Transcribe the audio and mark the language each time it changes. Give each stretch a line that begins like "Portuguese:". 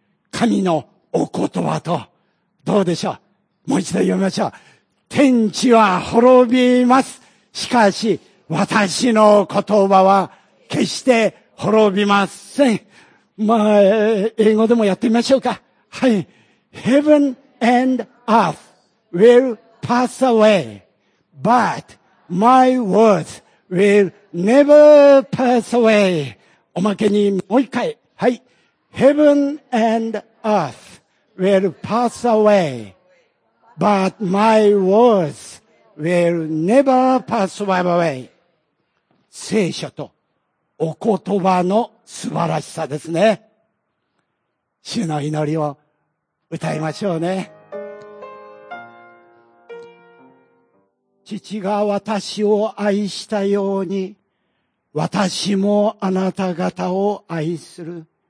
Japanese: 神のお言葉と、どうでしょう。もう一度読みましょう。天地は滅びます。しかし、私の言葉は決して滅びません。まあ、英語でもやってみましょうか。はい。
English: Heaven and earth will pass away, but my words will never pass away.
Japanese: おまけにもう一回。はい。
English: Heaven and earth will pass away, but my words will never pass away.
Japanese: 聖書とお言葉の素晴らしさですね。主の祈りを歌いましょうね。父が私を愛したように、私もあなた方を愛する。